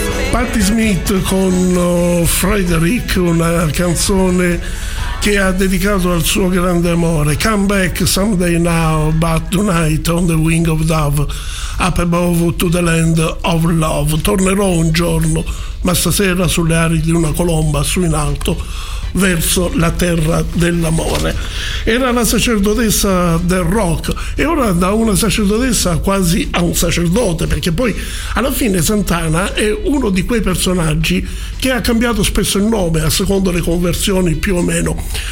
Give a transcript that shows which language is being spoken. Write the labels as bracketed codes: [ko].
[it] Patti Smith con Frederick, una canzone che ha dedicato al suo grande amore. [en] Come back someday now, but tonight on the wing of dove, up above to the land of love. [it] Tornerò un giorno, ma stasera sulle ali di una colomba su in alto verso la terra dell'amore. Era la sacerdotessa del rock, e ora da una sacerdotessa quasi a un sacerdote, perché poi alla fine Santana è uno di quei personaggi che ha cambiato spesso il nome a secondo le conversioni più o meno.